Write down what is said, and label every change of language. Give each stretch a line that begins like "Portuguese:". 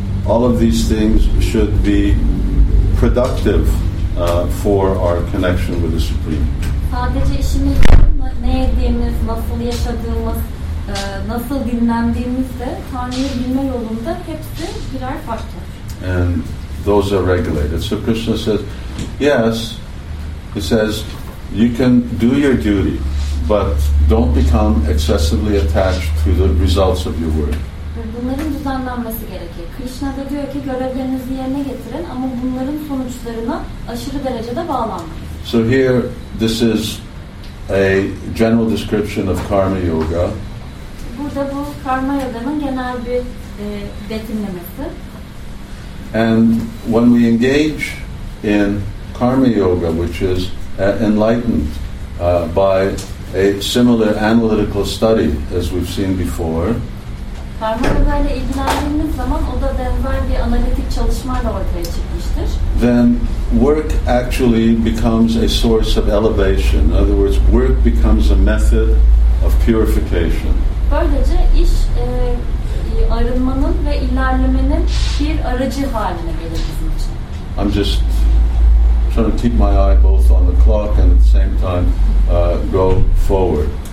English: All of these things should be productive for our connection with the Supreme.
Turkish: Sadece işimiz değil, ne yediğimiz, nasıl yaşadığımız, nasıl dinlendiğimiz de Tanrı'yı bilme yolunda hepsi birer faktör.
English: And those are regulated. So Krishna says, yes, he says, you can do your duty, but don't become excessively attached to the results of your work.
Turkish: Bunların düzenlenmesi gerekir. Krishna da diyor ki görevlerinizi yerine getirin ama bunların sonuçlarına aşırı derecede bağlanmayın.
English: So here this is a general description of karma yoga.
Turkish: Burada bu karma yoga'nın genel bir betimlemesi.
English: And when we engage in karma yoga, which is enlightened by a similar analytical study as we've seen before,
Turkish: karma yoga ile ilgilendiğimiz zaman o da benzer bir analitik çalışmayla ortaya çıkmıştır.
English: Then work actually becomes a source of elevation. In other words, work becomes a method of purification.
Turkish: Böylece iş arınmanın ve ilerlemenin bir aracı haline gelir bizim için.
English: I'm just trying to keep my eye both on the clock and at the same time go forward.